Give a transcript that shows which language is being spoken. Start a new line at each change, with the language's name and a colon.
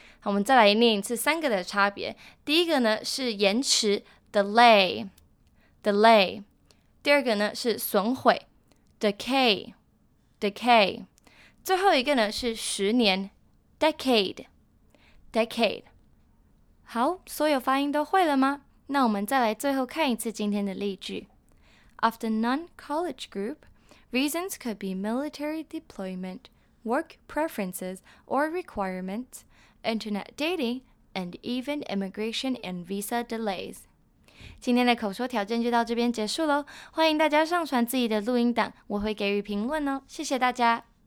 Chinese: 我们再来念一次三个的差别。第一个呢是延迟 delay， 第二个呢是损毁 decay， 最后一个呢是十年 decade。好，所有发音都会了吗？那我们再来最后看一次今天的例句。
English: Of the non-college group, reasons could be military deployment, work preferences or requirementsInternet dating, and even immigration and visa delays.
Chinese: 今天的口说挑战就到这边结束咯，欢迎大家上传自己的录音档，我会给予评论哦，谢谢大家。